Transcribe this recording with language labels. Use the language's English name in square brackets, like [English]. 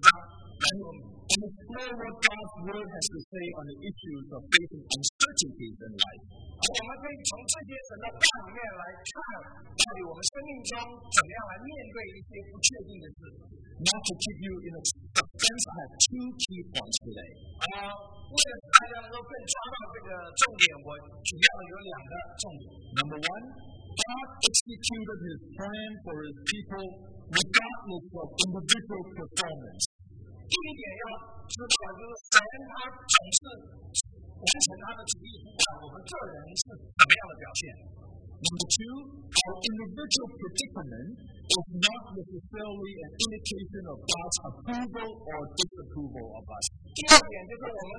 [English] what God's word has to say on the issues of faith and uncertainties in life. [Chinese] 我们可以从这些神的话里面来看，到底我们生命中怎么样来面对一些不确定的事。 [English] Not to keep you in a suspense, I have two key points today. Number one, God executed his plan for his people regardless of individual performance. [Chinese] 第一点要知道，就是神他总是完成他的旨意，不管我们个人是怎么样的表现。 [English] Number two, our individual predicament is not necessarily an indication of God's approval or disapproval of us.